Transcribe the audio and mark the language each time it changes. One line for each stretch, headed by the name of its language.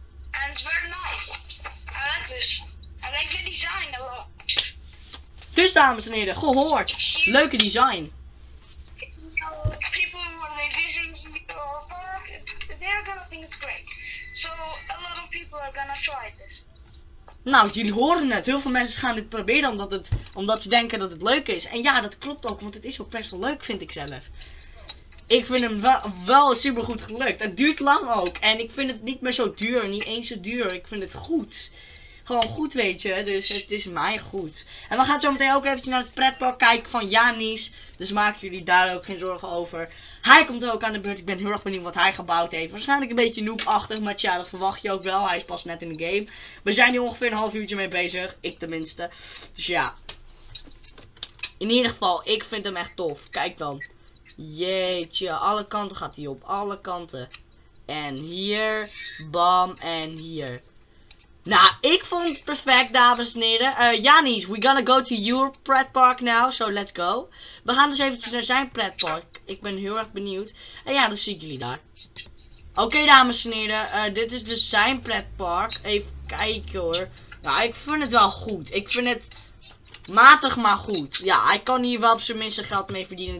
English: And it's very nice. I like this. I like the design a lot.
Dutch: Dus, dames en heren, gehoord. Leuke design.
English: People when they visit your park, they are gonna think it's great. So, a lot of people are gonna try this.
Dutch: Nou, jullie horen het. Heel veel mensen gaan dit proberen omdat ze denken dat het leuk is. En ja, dat klopt ook, want het is ook best wel leuk, vind ik zelf. Ik vind hem wel super goed gelukt. Het duurt lang ook. En ik vind het niet meer zo duur, niet eens zo duur. Ik vind het goed. Gewoon goed, weet je. Dus het is mij goed. En we gaan zo meteen ook eventjes naar het pretpark kijken van Janis. Dus maak jullie daar ook geen zorgen over. Hij komt ook aan de beurt. Ik ben heel erg benieuwd wat hij gebouwd heeft. Waarschijnlijk een beetje noobachtig. Maar tja, dat verwacht je ook wel. Hij is pas net in de game. We zijn hier ongeveer een half uurtje mee bezig. Ik tenminste. Dus ja. In ieder geval, ik vind hem echt tof. Kijk dan. Jeetje. Alle kanten gaat hij op. Alle kanten. En hier. Bam. En hier. Nou, ik vond het perfect, dames en heren.
English: Janis, we're gonna go to your pret park now, so let's go.
Dutch: We gaan dus eventjes naar zijn pret park. Ik ben heel erg benieuwd. En ja, dan zie ik jullie daar. Oké, dames en heren, dit is dus zijn pret park. Even kijken hoor. Nou, ik vind het wel goed. Ik vind het matig, maar goed. Ja, hij kan hier wel op zijn minste geld mee verdienen.